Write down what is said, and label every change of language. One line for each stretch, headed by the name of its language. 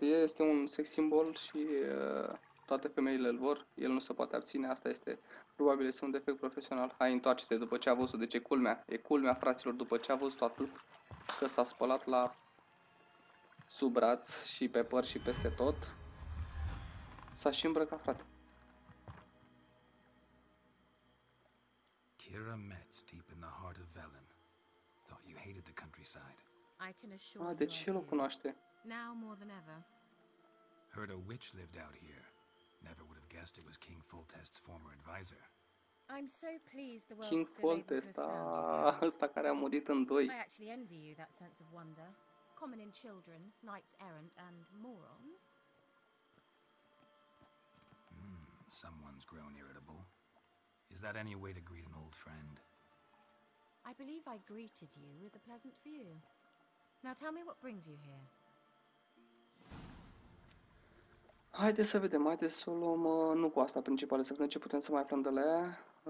Romanian: Este un sex symbol și toate femeile îl vor, el nu se poate abține, asta este, probabil este un defect profesional. Hai, întoarce-te după ce a văzut-o, de ce culmea? E culmea, fraților, după ce a văzut-o atât, că s-a spălat la sub braț și pe păr și peste tot, s-a și îmbrăcat, frate.
English: Kira Metz, deep in the heart of Velen, thought you hated the countryside. I can assure you.
Romanian: Ah, deci el o cunoaște.
English: Now more than ever. Heard a witch lived out here. Never would have guessed it was King Foltest's former advisor. I'm so pleased the world
Romanian: King Foltest, ăsta care a murit în doi.
English: I actually envy you that sense of wonder, common in children, knights errant and morons. Someone's grown irritable. Is that any way to greet an old friend? I believe I greeted you with a pleasant view. Now tell me what brings you here.
Romanian: Haide să vedem, haide să o luăm, nu cu asta principală, să vedem ce putem să mai aflăm de la ea.